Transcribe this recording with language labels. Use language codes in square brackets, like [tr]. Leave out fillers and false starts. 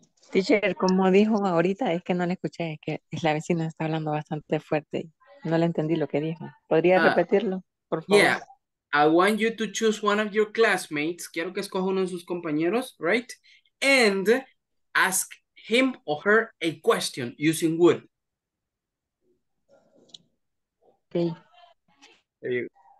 [es] Teacher, como dijo ahorita, es que no le escuché, es que la vecina está hablando bastante fuerte. No le entendí lo que dijo. ¿Podría repetirlo, por favor? [en] Yeah. I want you to choose one of your classmates. [es] Quiero que escoja uno de sus compañeros, right? [en] And ask him or her a question using would. Okay. There you go.